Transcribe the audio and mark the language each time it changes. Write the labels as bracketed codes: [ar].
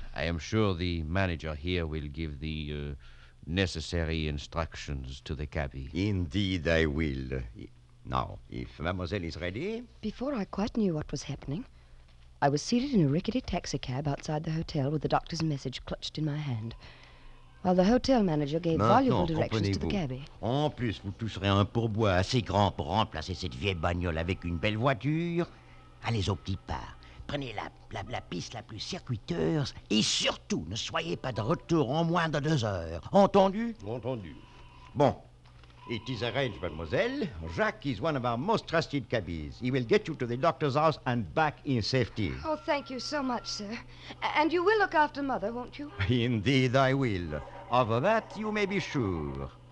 [en] I am sure the manager here will give the necessary instructions to the cabbie. Indeed, I will. Now, if mademoiselle is ready... Before I quite knew what was happening, I was seated in a rickety taxicab outside the hotel with the doctor's message clutched in my hand, while the hotel manager gave [fr] maintenant, [en] voluble directions to the cabbie. [fr] En plus, vous toucherez un pourboire assez grand pour remplacer cette vieille bagnole avec une belle voiture. Allez au petit pas. Prenez la piste la plus circuiteuse et surtout, ne soyez pas de retour en moins de 2 heures. Entendu? Entendu. [en] Bon, it is arranged, mademoiselle. Jacques is one of our most trusted cabbies. He will get you to the doctor's house and back in safety. Oh, thank you so much, sir. And you will look after mother, won't you? Indeed, I will. Of that, you may be sure.